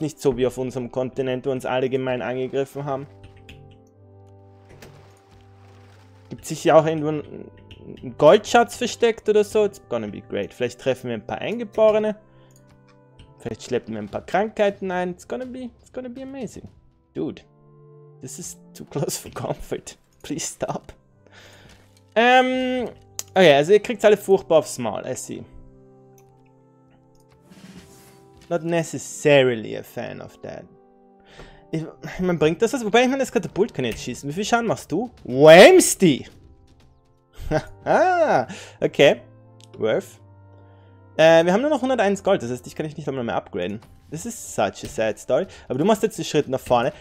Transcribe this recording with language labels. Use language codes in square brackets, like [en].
[de] Nicht so wie auf unserem Kontinent, wo uns alle gemein angegriffen haben. Gibt sicher auch irgendwo einen Goldschatz versteckt oder so. [en] It's gonna be great. [de] Vielleicht treffen wir ein paar Eingeborene. Vielleicht schleppen wir ein paar Krankheiten ein. [en] It's gonna be amazing. Dude, this is too close for comfort. Please stop. [de] Okay, also ihr kriegt alle furchtbar aufs Maul. [en] I see. Not necessarily a fan of that. [de] Ich meine, bringt das was? Wobei, ich meine, das Katapult kann jetzt schießen. Wie viel Schaden machst du? Whamsty! Okay. Worth. Wir haben nur noch 101 Gold, das heißt, dich kann ich nicht einmal mehr upgraden. Das ist [en] such a sad story. [de] Aber du machst jetzt den Schritt nach vorne.